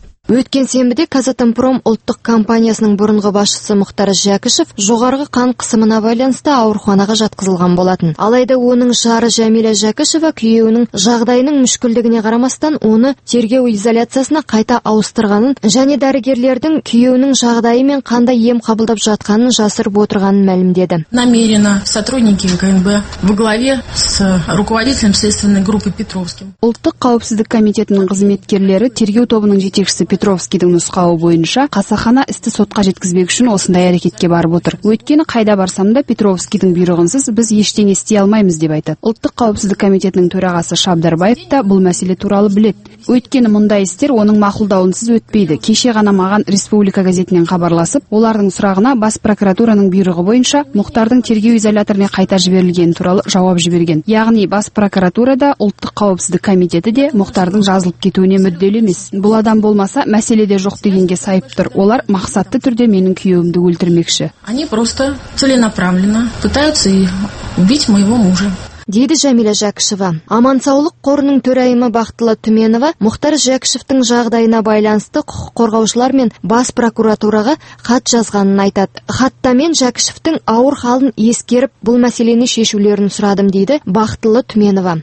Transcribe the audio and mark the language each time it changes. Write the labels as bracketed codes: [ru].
[kk] Өткен сенбіде Қазатомпром ұлттық компаниясының бұрынғы басшысы Мұхтар Жәкішев жоғарғы қан қысымына байланысты ауруханаға жатқызылған болатын. Алайда оның жары Жәмилә Жәкішева күйеуінің жағдайының мүшкілдігіне қарамастан оны тергеу изоляциясына қайта ауыстырғанын және дәрігерлердің күйеуінің жағдайы мен қандай ем қабылдап жатқанын жасырып отырғанын мәлімдеді. [ru] Намеренно сотрудники МГБ в главе с руководителем следственной группы Петровским. [kk] Ұлттық қауіпсіздік комитетінің қызметкерлері тергеу тобының жетекшісі Петровскийдің нұсқауы бойынша қасақана істі сотқа жеткізбек үшін осындай әрекетке барып отыр. Өйткені қайда барсам да Петровскийдің бұйрығынсыз біз ештеңе істей алмаймыз деп айтады. Ұлттық қауіпсіздік комитетінің төрағасы Шабдарбаев та бұл мәселе туралы біледі. Өйткені мұндай істер оның мақұлдауынсыз өтпейді. Кеше ғана маған Республика газетінен хабарласып, олардың сұрағына бас прокуратураның бұйрығы бойынша Мұхтардың тергеу изоляторына қайта жіберілгені туралы жауап жіберген. Яғни бас прокуратурада Ұлттық қауіпсіздік комитеті де Мұхтардың жазылып кетуіне мүдделі емес. Бұл адам болмаса, мәселе де жоқ дегенге сайып тұр. Олар мақсатты түрде менің күйеуімді өлтірмекші. [ru] Они просто целенаправленно пытаются убить моего мужа. [kk] Дейді Жәмилә Жәкішева. Аман саулық қорының төрайымы Бақтыла Түменова Мұхтар Жәкішевтің жағдайына байланысты құқық қорғаушылар мен бас прокуратураға хат жазғанын айтады. Хатта мен Жәкішевтің ауыр халын ескеріп, бұл мәселені шешулерін сұрадым дейді Бақтыла Түменова.